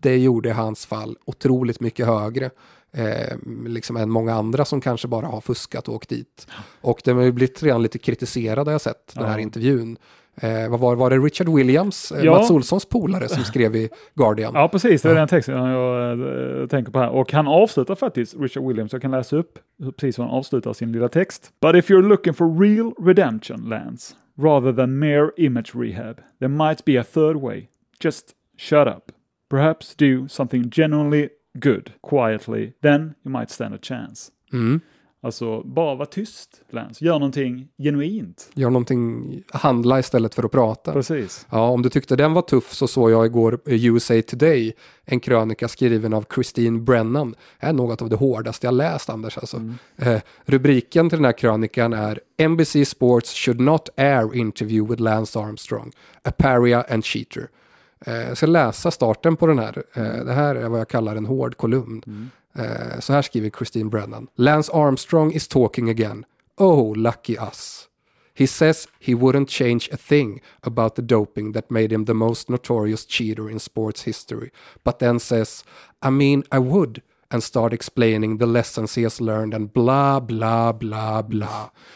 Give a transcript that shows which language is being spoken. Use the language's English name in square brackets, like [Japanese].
[Swedish] Det gjorde i hans fall otroligt mycket högre liksom än många andra som kanske bara har fuskat och åkt dit. Och det har ju blivit redan lite kritiserad, har jag sett, den här intervjun. Var det Richard Williams, Mats Olssons polare, som skrev i Guardian? Ja, precis. Det är den texten jag tänker på här. Och han avslutar faktiskt, Richard Williams, jag kan läsa upp precis hur han avslutar sin lilla text. [English] But if you're looking for real redemption, Lance, rather than mere image rehab, there might be a third way. Just shut up. Perhaps do something genuinely good, quietly, then you might stand a chance. [Swedish] Mm. Alltså, bara vara tyst, Lance. Gör någonting genuint. Gör någonting, handla istället för att prata. Precis. Ja, om du tyckte den var tuff, så såg jag igår USA Today en krönika skriven av Christine Brennan. Det är något av det hårdaste jag läst, Anders. Alltså. Mm. Rubriken till den här krönikan är [English] NBC Sports should not air interview with Lance Armstrong, a paria and cheater. [Swedish] Jag ska läsa starten på den här. Det här är vad jag kallar en hård kolumn. Så här skriver Christine Brennan. [English] Lance Armstrong is talking again. Oh, lucky us. He says he wouldn't change a thing about the doping that made him the most notorious cheater in sports history. But then says, I mean, I would. And start explaining the lessons he has learned and blah, blah, blah, blah.